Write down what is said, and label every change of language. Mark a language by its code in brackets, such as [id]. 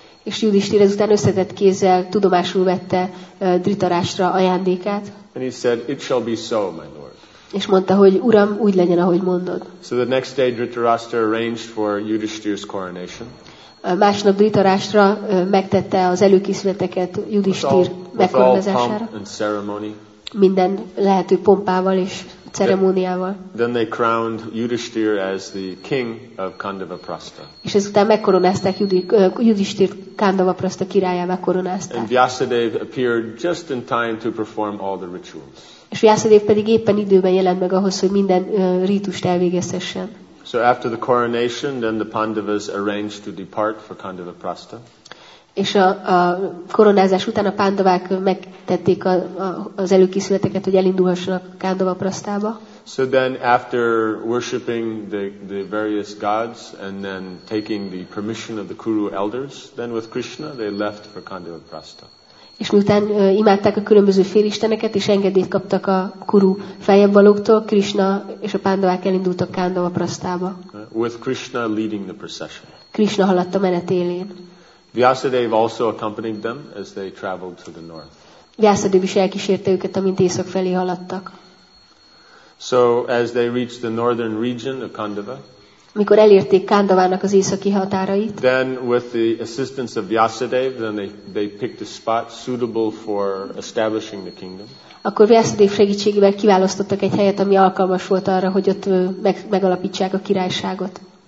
[hu] És Yudhishthira ezután összetett kézzel tudomásul vette Dhritarashtra ajándékát. [en] And he said, "It shall be so, my lord." [hu] És mondta, hogy uram, úgy legyen, ahogy mondod. [en] So the next day Dhritarashtra arranged for Yudhishthira's coronation. [hu] Másnap Dhritarashtra megtette az előkészületeket Yudhishthir megkoronázására. Minden lehető pompával és ceremóniával. [en] Then they crowned Yudhishthir as the king of Kandavaprastha. [hu] És ezután megkoronázták Yudhishthir Kandavaprastha királyává koronázták. [en] And Vyasadev appeared just in time to perform all the rituals. [hu] És Vyasadev pedig éppen időben jelent meg ahhoz, hogy minden rítust elvégezhessen. [en] So after the coronation, then the Pandavas arranged to depart for Kandavaprastha. [hu] És a koronázás után a pándavák megtették az előkészületeket, hogy elindulhassanak Kandavaprasztába. [en] So then after worshiping the various gods and then taking the permission of the Kuru elders, then with Krishna they left for Kandavaprastha. [hu] És miután imádták a különböző félisteneket és engedélyt kaptak a Kuru fejebbvalóktól, Krishna és a pándavák elindultak Kandavaprasztába. [en] With Krishna leading the procession. [hu] Krishna haladt a menet élén. [en] Vyasadev also accompanied them as they traveled to the north. [hu] Vyasadev is elkísérte őket, amint észak felé haladtak. [en] So as they reached the northern region of Kandava, [hu] mikor elérték Kandavának az északi határait, [en] then with the assistance of Vyasadev, then they picked a spot suitable for establishing the kingdom. [hu] Akkor Vyasadev segítségével kiválasztottak egy helyet, ami alkalmas volt arra, hogy ott megalapítsák a királyságot.